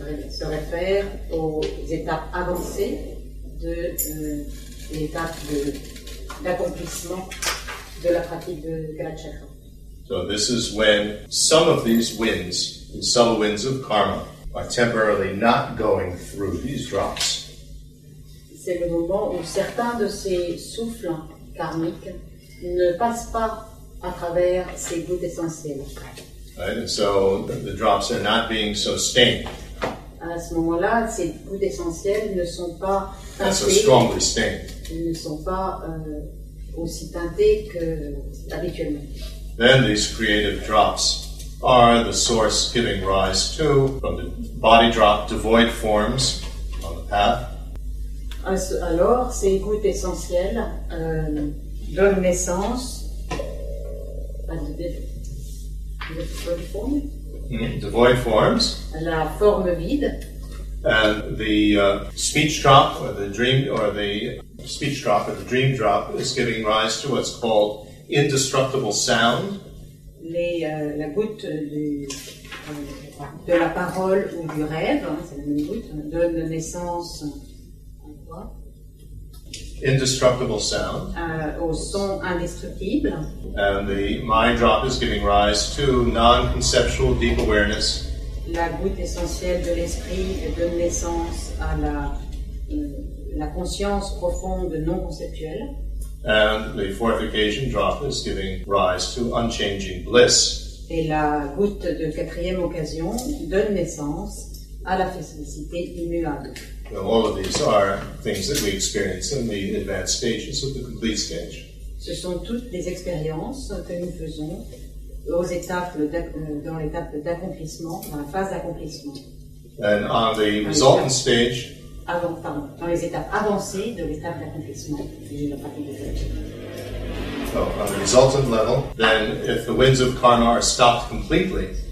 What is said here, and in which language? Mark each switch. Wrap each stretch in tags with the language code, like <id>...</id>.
<fr>Se réfère aux étapes avancées de l'étape de d'accomplissement de la pratique de Kalachakra.</fr> <en>So this is when some of these winds, and subtle winds of karma, are temporarily not going through these drops.</en> <fr>C'est le moment où certains de ces souffles karmiques ne passent pas à travers ces gouttes essentielles.</fr> <en>Right, and so the drops are not being sustained.</en> <fr>À ce moment-là, ces gouttes essentielles ne sont pas</fr> <en>teintées. So strongly stained.</en> <fr>Elles ne sont pas aussi teintées que habituellement.</fr> <en>Then these creative drops are the source giving rise to from the body drop to void forms on the path.</en> <fr>Alors, ces gouttes essentielles donnent naissance à</fr> <en>the void forms.</en> <fr>La forme vide.</fr> <en>And the speech drop, or the dream, or the speech drop, or the dream drop, is giving rise to what's called indestructible sound.</en> <fr>La goutte de la parole ou du rêve, hein, c'est la même goutte, donne naissance à quoi?</fr> <en>Indestructible sound.</en> <fr>Au son indestructible.</fr> <en>And the mind drop is giving rise to non-conceptual deep awareness.</en> <fr>La goutte essentielle de l'esprit donne naissance à la conscience profonde non-conceptuelle.</fr> <en>And the fourth occasion drop is giving rise to unchanging bliss.</en> <fr>Et la goutte de quatrième occasion donne naissance à la félicité immuable.</fr> <en>Well, all of these are things that we experience in the advanced stages of the complete stage.</en> <fr>Ce sont toutes les expériences que nous faisons aux étapes dans l'étape d'accomplissement, dans la phase d'accomplissement.</fr> <en>And on the resultant stage.</en> <fr>Dans les étapes avancées de l'étape d'accomplissement de la pratique de Kalachakra.</fr> <en>So, on the resultant level, then if the winds of karma are stopped completely,</en>